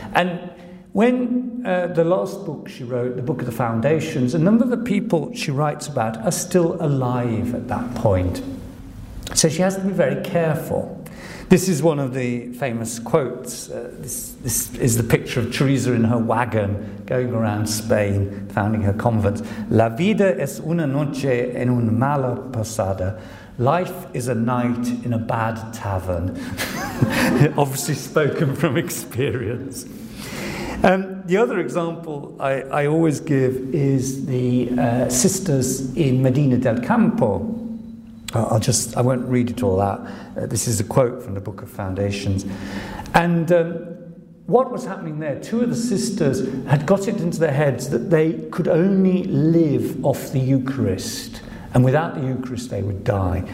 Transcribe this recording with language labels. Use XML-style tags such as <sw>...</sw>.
<en>And when the last book she wrote, The Book of the Foundations, a number of the people she writes about are still alive at that point. So she has to be very careful. This is one of the famous quotes. This is the picture of Teresa in her wagon going around Spain, founding her convent.</en> <es>La vida es una noche en una mala posada.</es> <en>Life is a night in a bad tavern. Obviously spoken from experience. The other example I always give is the sisters in Medina del Campo. I won't read it all out. This is a quote from the Book of Foundations. And what was happening there, two of the sisters had got it into their heads that they could only live off the Eucharist, and without the Eucharist they would die.</en>